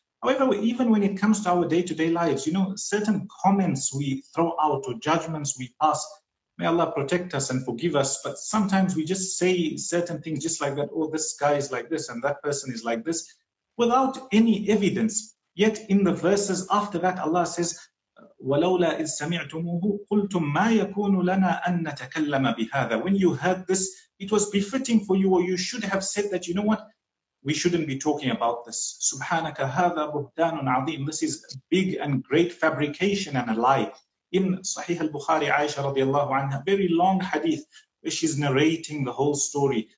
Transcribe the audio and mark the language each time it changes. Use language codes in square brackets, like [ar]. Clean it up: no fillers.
[en] However, even when it comes to our day-to-day lives, you know, certain comments we throw out or judgments we pass, may Allah protect us and forgive us, but sometimes we just say certain things just like that, oh, this guy is like this and that person is like this, without any evidence. Yet in the verses after that, Allah says, [ar] وَلَوْلَا إِذْ سَمِعْتُمُهُ قُلْتُمْ مَا يَكُونُ لَنَا أَن نَتَكَلَّمَ بِهَذَا. [en] When you heard this, it was befitting for you, or you should have said that, you know what, we shouldn't be talking about this. [ar] سُبْحَانَكَ هَذَا بُهْتَانٌ عَظِيمٌ. [en] This is big and great fabrication and a lie. In Sahih al-Bukhari, Aisha radiallahu anha, very long hadith, where she's narrating the whole story.